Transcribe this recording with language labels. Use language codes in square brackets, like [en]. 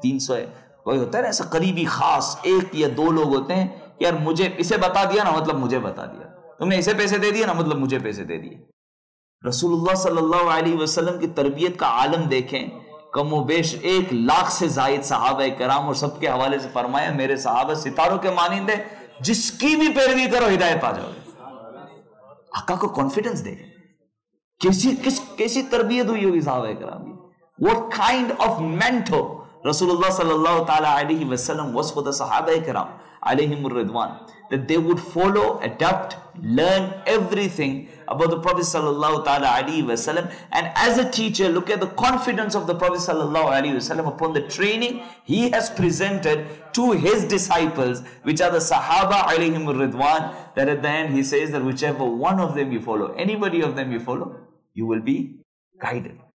[ur] 300 ہے, کوئی ہوتا ہے نا ایسا قریبی خاص, ایک یا دو لوگ ہوتے ہیں یار, مجھے اسے بتا دیا نا مطلب مجھے بتا دیا, تم نے اسے پیسے دے دیے نا مطلب مجھے پیسے دے دیے. رسول اللہ صلی اللہ علیہ وسلم کی تربیت کا عالم دیکھیں, کم و بیش 1,00,000 سے زائد صحابہ کرام, اور سب کے حوالے سے فرمایا میرے صحابہ ستاروں کے مانند ہیں, جس کی بھی پیروی کرو ہدایت پا جاؤ گے. آقا کو کانفیڈنس دے کیسی تربیت ہوئی ہوگی صحابہ کرام کی. [en] What kind of mentor رسول اللہ صلی اللہ علیہ وسلم was for the صحابہ کرام علیہم الرضوان, that they would follow, adapt, learn everything about the Prophet sallallahu ta'ala alayhi wa sallam. And as a teacher, look at the confidence of the Prophet sallallahu alayhi wa sallam upon the training he has presented to his disciples, which are the Sahaba alayhim ridwan, that at the end he says that whichever one of them you follow, anybody of them you follow, you will be guided.